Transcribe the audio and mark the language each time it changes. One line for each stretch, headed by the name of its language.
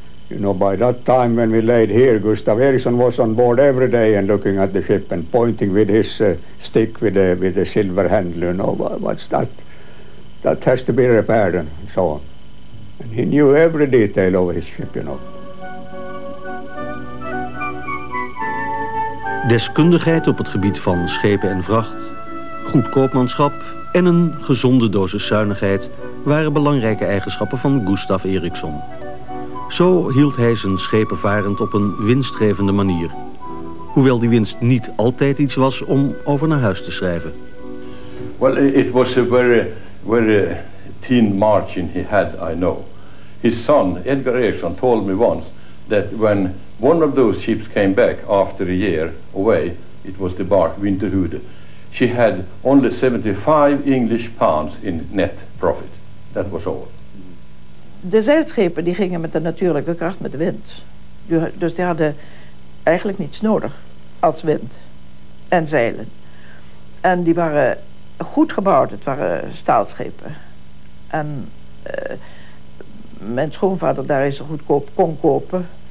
English: You know, by that time when we laid here, Gustav Eriksson was on board every day and looking at the ship and pointing with his stick with the silver handle, you know, what's that? That has to be repaired and so on. And he knew every detail of his ship, you know.
Dutch: Deskundigheid op het gebied van schepen en vracht, goed koopmanschap en een gezonde dosis zuinigheid waren belangrijke eigenschappen van Gustav Eriksson. Zo hield hij zijn schepen varend op een winstgevende manier. Hoewel die winst niet altijd iets was om over naar huis te schrijven.
English: Well, it was a very, very thin margin he had, I know. His son, Edgar Eriksson, told me once that when one of those ships came back after a year away, it was the bark Winterhude, she had only 75 English pounds in net profit. That was all.
Dutch: De zeilschepen die gingen met de natuurlijke kracht, met de wind. Dus die hadden eigenlijk niets nodig als wind en zeilen. En die waren goed gebouwd, het waren staalschepen. En mijn schoonvader daar is zo goedkoop kon kopen.